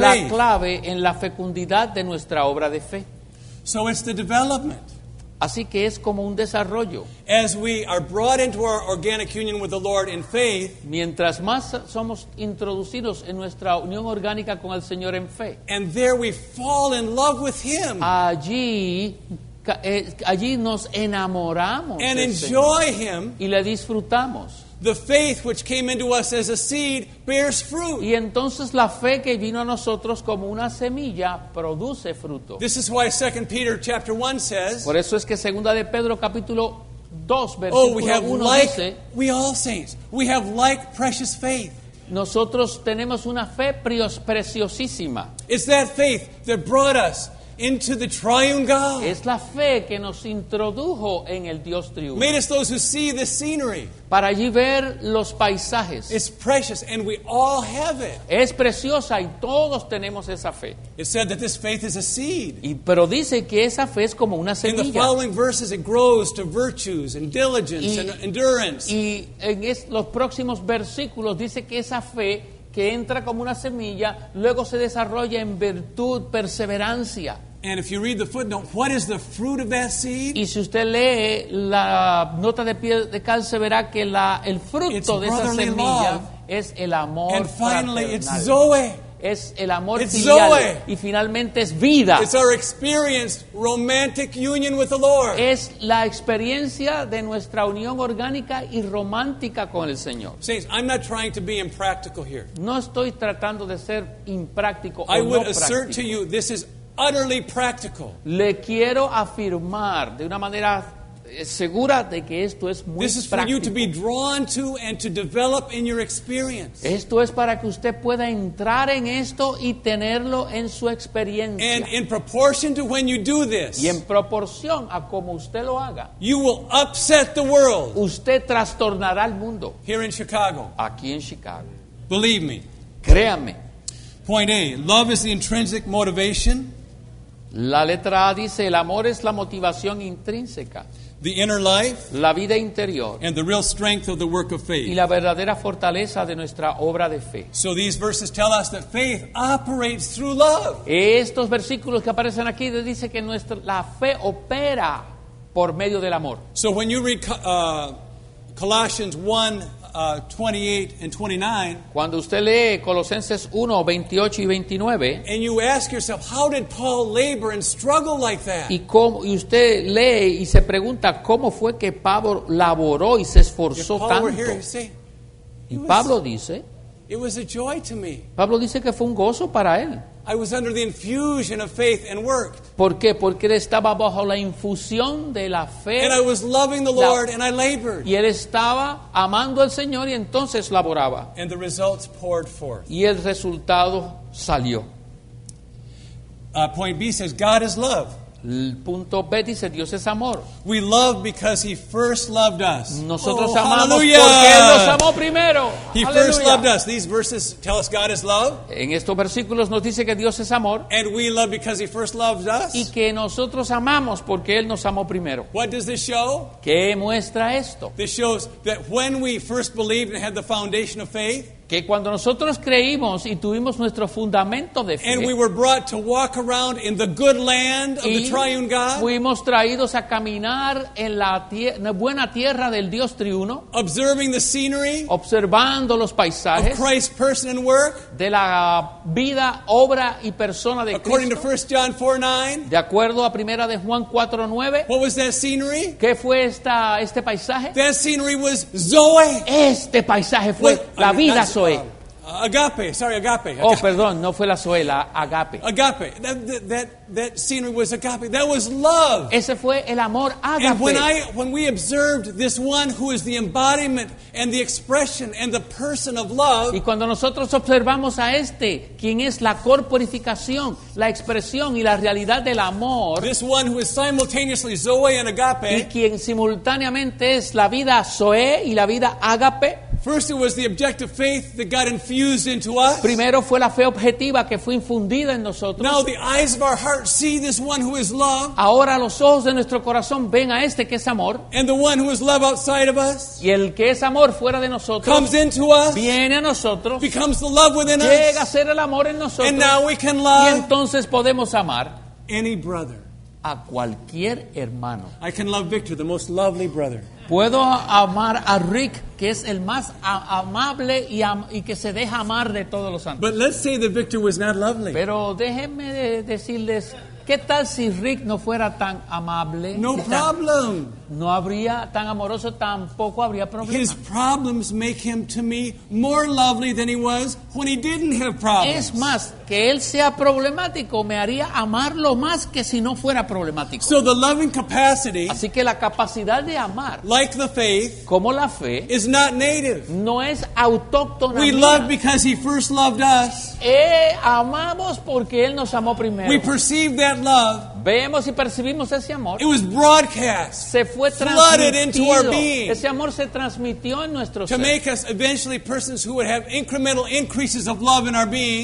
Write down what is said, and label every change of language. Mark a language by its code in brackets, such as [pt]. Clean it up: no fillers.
[es] Es la clave en la fecundidad de nuestra obra de fe. [en] So it's the development. [es] Así que es como un desarrollo. [en] As we are brought into our organic union with the Lord in faith, [es] mientras más somos introducidos en nuestra unión orgánica con el Señor en fe, [en] and there we fall in love with him. [es] Allí nos enamoramos [en] and enjoy him. [es] Y le disfrutamos. [en] The faith which came into us as a seed bears fruit. [es] Y entonces la fe que vino a nosotros como una semilla produce fruto. [en] This is why 2 Peter chapter 1 says, [es] por eso es que Segunda de Pedro capítulo 2, versículo 1 dice, [en] we all saints, we have like precious faith. [es] Nosotros tenemos una fe preciosísima. [en] It's that faith that brought us into the triune God. [es] Es la fe que nos introdujo en el Dios triuno. [en] Made us those who see the scenery. [es] Para allí ver los paisajes. [en] It's precious and we all have it. [es] Es preciosa y todos tenemos esa fe. [en] It said that this faith is a seed. [es] Pero dice que esa fe es como una semilla. [en] In the following verses it grows to virtues and diligence and endurance. [es] Y en los próximos versículos dice que esa fe que entra como una semilla, luego se desarrolla en virtud, perseverancia. [en] And if you read the footnote, what is the fruit of that seed? [es] Y si usted lee la nota de pie de cáncer, verá que el fruto de esa semilla es el amor fraternal. [en] And finally, it's Zoe. [es] Es el amor [en] it's [es] filial. [en] Zoe. [es] Y finalmente es vida. [en] It's our experienced romantic union with the Lord. [es] Es la experiencia de nuestra unión orgánica y romántica con el Señor. [en] Saints, I'm not trying to be impractical here. [es] No estoy tratando de ser impráctico [en] I [es] o [en] would [es] no [en] assert [es] práctico. [en] To you this is utterly practical. [es] Le quiero afirmar de una manera segura de que esto es muy [en] this is [es] práctico. [en] For you to be drawn to and to develop in your experience. [es] Esto es para que usted pueda entrar en esto y tenerlo en su experiencia. [en] And in proportion to when you do this, [es] y en proporción a como usted lo haga, [en] you will upset the world. [es] Usted trastornará el mundo. [en] Here in Chicago. [es] Aquí en Chicago. [en] Believe me. [es] Créame. [en] Point A, love is the intrinsic motivation. [es] La letra A dice, el amor es la motivación intrínseca. [en] The inner life, [es] la vida interior, [en] and the real strength of the work of faith, [es] y la verdadera fortaleza de nuestra obra de fe. [en] So these verses tell us that faith operates through love. [es] Estos versículos que aparecen aquí dice que la fe opera por medio del amor. [en] So when you read Colossians 1, 28 and 29, [es] cuando usted lee Colosenses 1, 28 y 29, [en] and you ask yourself, how did Paul labor and struggle like that? [es] Y usted lee y se pregunta, ¿cómo fue que Pablo laboró y se esforzó tanto? [en] Paul were here, see, [es] y Pablo dice, [en] it was a joy to me. [es] Pablo dice que fue un gozo para él. [en] I was under the infusion of faith and worked. [es] ¿Por qué? Porque él estaba bajo la infusión de la fe. [en] And I was loving the Lord and I labored. [es] Y él estaba amando al Señor y entonces laboraba. [en] And the results poured forth. [es] Y el resultado salió. [en] Point B says, God is love. [es] El punto B dice, Dios es amor. [en] We love because he first loved us. [es] Nosotros [en] oh, [es] amamos [en] hallelujah. [es] Porque él nos amó primero. [en] He hallelujah. First loved us. These verses tell us God is love. [es] En estos versículos nos dice que Dios es amor. [en] And we love because he first loved us. [es] Y que nosotros amamos porque él nos amó primero. [en] What does this show? [es] ¿Qué muestra esto? [en] This shows that when we first believed and had the foundation of faith, [es] que cuando nosotros creímos y tuvimos nuestro fundamento de fe, [en] and we were brought to walk around in the good land of the triune God, [es] fuimos traídos a caminar en la buena tierra del Dios triuno, [en] observing the scenery, [es] observando los paisajes, [en] of Christ's person and work, [es] de la vida, obra y persona de [en] according [es] Cristo, [en] according to 1 John 4:9, [es] de acuerdo a 1 de Juan 4:9, [en] what was that scenery? [es] ¿Qué fue este paisaje? [en] That scenery was Zoe. [es] Este paisaje fue la vida. [en] Agape. [es] Oh, perdón, no fue la Zoe, la agape. [en] Agape. That scenery was agape. That was love. [es] Ese fue el amor agape. [en] And when we observed this one who is the embodiment and the expression and the person of love. [es] Y cuando nosotros observamos a este, quien es la corporificación, la expresión y la realidad del amor. [en] This one who is simultaneously Zoe and agape. [es] Y quien simultáneamente es la vida Zoe y la vida agape. [en] First it was the objective faith that got infused into us. [es] Primero fue la fe objetiva que fue infundida en nosotros. [en] Now the eyes of our heart see this one who is love. [es] Ahora los ojos de nuestro corazón ven a este que es amor. [en] And the one who is love outside of us. [es] Y el que es amor fuera de nosotros. [en] Comes into us. [es] Viene a nosotros. [en] Becomes the love within us. [es] Llega a ser el amor en nosotros. [en] And now we can love. [es] Y entonces podemos amar. [en] Any brother. [es] A cualquier hermano. [en] I can love Victor, the most lovely brother. [es] Puedo amar a Rick, que es el más amable y que se deja amar de todos los santos. [en] But let's say that Victor was not lovely. [es] Pero déjenme decirles ¿Qué tal si Rick no fuera tan amable? [en] No problem. [es] No habría tan amoroso, tampoco habría problema. [en] His problems make him to me more lovely than he was when he didn't have problems. [es] Es más, que él sea problemático me haría amarlo más que si no fuera problemático. [en] So the loving capacity, [es] así que la capacidad de amar, [en] like the faith, [es] como la fe, [en] is not native. [es] No es autóctona. [en] We love because he first loved us. [es] Amamos porque él nos amó primero. [en] We perceive that love. [es] Vemos y percibimos ese amor. [en] It was broadcast. [es] Se fue transmitido. [en] Flooded into our being. [es] Ese amor se transmitió en nuestro ser. [en] To make us eventually persons who would have incremental increases of love in our being.